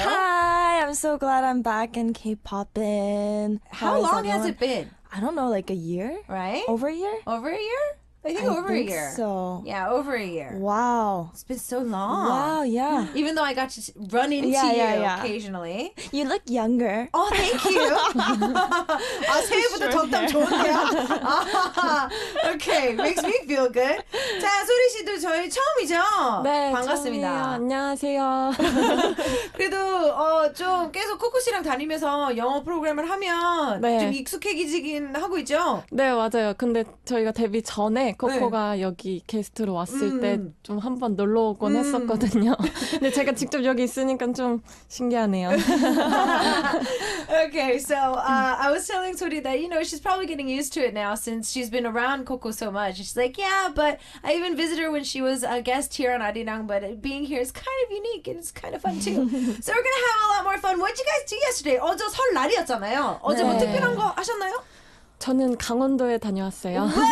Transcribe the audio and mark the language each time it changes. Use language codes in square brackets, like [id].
[en] Hi, I'm so glad I'm back in K-popping. How long has it been? I don't know, like a year? Right? Over a year? Over a year? I think over a year. So. Yeah, over a year. Wow. It's been so long. Wow, yeah. Even though I got to run into you occasionally. You look younger. Oh, thank you. [ko] 아, 새해부터 덕담 좋은데요? [en] Okay, makes me feel good. [ko] 자, 소리 씨도 저희 처음이죠? 네, 반갑습니다. 처음이에요. 안녕하세요. 그래도 좀 계속 코코 씨랑 다니면서 영어 프로그램을 하면 네. 좀 익숙해지긴 하고 있죠? 네, 맞아요. 근데 저희가 데뷔 전에 네, 코코가 네. 여기 게스트로 왔을 때 좀 한번 놀러 오곤 했었거든요. 근데 제가 직접 여기 있으니까 좀 신기하네요. [en] Okay, so I was telling Sori that, you know, she's probably getting used to it now since she's been around Coco so much. She's like, yeah, but I even visit her when she was a guest here on Arirang, but being here is kind of unique and it's kind of fun too. So we're gonna have a lot more fun. What did you guys do yesterday? [ko] 어제 설날이었잖아요. 어제 네. 뭐 특별한 거 하셨나요? 저는 강원도에 다녀왔어요.